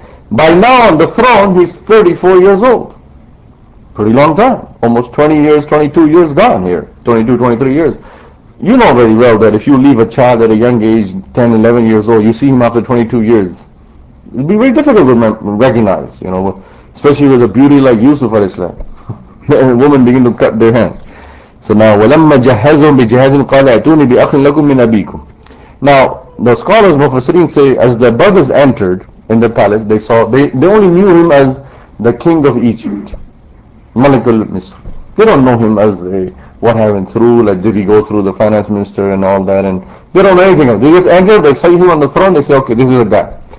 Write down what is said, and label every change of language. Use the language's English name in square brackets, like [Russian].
[English] By now on the throne he's 34 years old. Pretty long time, almost 20 years, 22 years gone here, 22-23 years. You know very well that if you leave a child at a young age, 10-11 years old, you see him after 22 years, it'll be very difficult to recognize, you know, especially with a beauty like Yusuf al-Islam. Women begin to cut their hands. So now, [Arabic] وَلَمَّا جَهَزُهُمْ بِجَهَزٍ قَالَ أَتُونِي بِأَخٍ لَكُمْ مِنْ أَبِيكُمْ. [English] Now, the scholars, Mufassirin, say, as the brothers entered in the palace, they saw, they only knew him as the king of Egypt, Malik al-Misr. They don't know him as what happened through, like did he go through the finance minister and all that, and they don't know anything else. They just enter, they see him on the throne, they say, okay, this is a guy.